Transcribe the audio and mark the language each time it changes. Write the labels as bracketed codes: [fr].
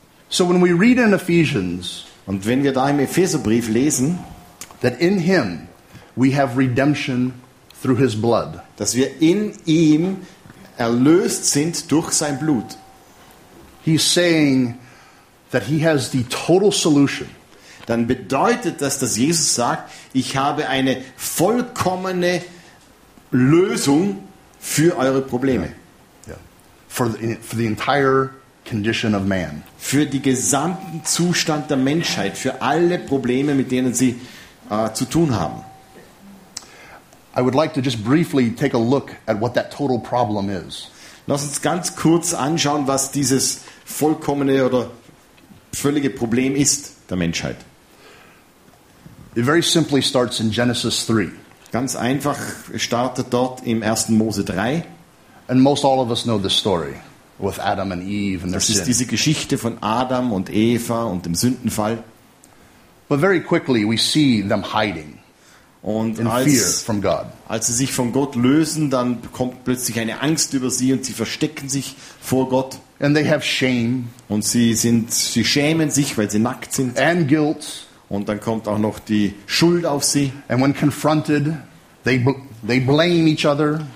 [en] So when we read in Ephesians, [de] und wenn wir da im Epheserbrief lesen, [en] that in him we have redemption through his blood, [de] dass wir in ihm erlöst sind durch sein Blut. [en] He's saying that he has the total solution. [de] Dann bedeutet das, dass Jesus sagt, ich habe eine vollkommene Lösung für eure Probleme. Yeah. Yeah. [en] For the entire condition of man. [de] Für den gesamten Zustand der Menschheit, für alle Probleme, mit denen sie zu tun haben. [en] I would like to just briefly take a look at what that total problem is. [de] Lass uns ganz kurz anschauen, was dieses vollkommene oder völlige Problem ist der Menschheit. [en] It very simply starts in Genesis 3. [de] Ganz einfach startet dort im 1. Mose 3. [en] And most all of us know the story with Adam and Eve and their sin. [de] Das ist diese Geschichte von Adam und Eva und dem Sündenfall. [en] But very quickly we see them hiding. [de] Und in als, [en] fear from God. [de] Als sie sich von Gott lösen, dann kommt plötzlich eine Angst über sie und sie verstecken sich vor Gott. [en] And they have shame. [de] Und sie schämen sich, weil sie nackt sind. [en] And guilt. [de] Und dann kommt auch noch die Schuld auf sie. [en] And when confronted, they blame each other.